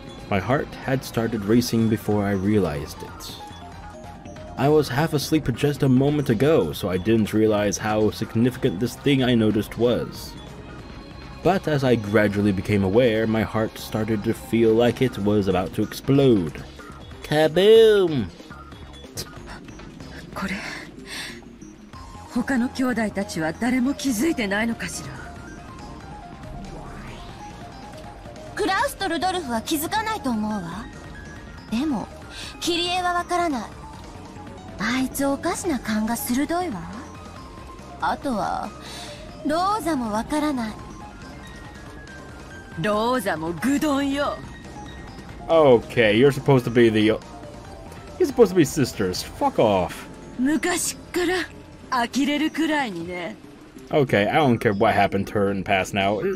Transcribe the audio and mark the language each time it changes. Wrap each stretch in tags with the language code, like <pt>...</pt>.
<en>My heart had started racing before I realized it. I was half asleep just a moment ago, so I didn't realize how significant this thing I noticed was. But as I gradually became aware, my heart started to feel like it was about to explode. Kaboom!</en> <ja>これ他の兄弟たちは誰も気づいてないのかしら。クラウスとルドルフは気づかないと思うわ。でもキリエはわからない。あいつおかしな勘が鋭いわ。あとはローザもわからない。ローザもグドンよ。</ja> <en>Okay, you're supposed to be the... You're supposed to be sisters. Fuck off.</en> <ja>昔から呆れるくらいにね。</ja> <en>Okay, I don't care what happened to her in the past now.</en>